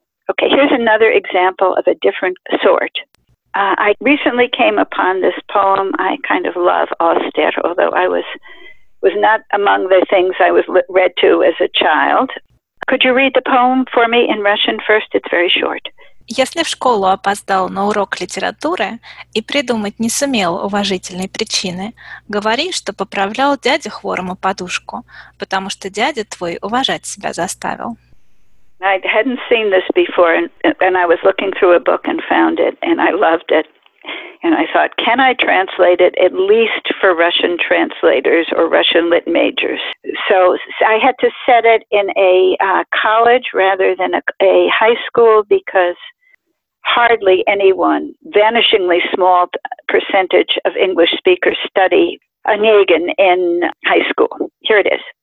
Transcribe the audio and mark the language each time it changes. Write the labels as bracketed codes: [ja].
[en] Okay, here's another example of a different sort. I recently came upon this poem. I kind of love Auster, although I was not among the things I was read to as a child. Could you read the poem for me in Russian first? It's very short. [ru] Если в школу опоздал на урок литературы и придумать не сумел уважительной причины, говори, что поправлял дяде хворому подушку, потому что дядя твой уважать себя заставил. [en] I hadn't seen this before, and I was looking through a book and found it, and I loved it. And I thought, can I translate it at least for Russian translators or Russian lit majors? So I had to set it in a college rather than a high school, because hardly anyone, vanishingly small percentage of English speakers, study Onegin in high school. Here it is.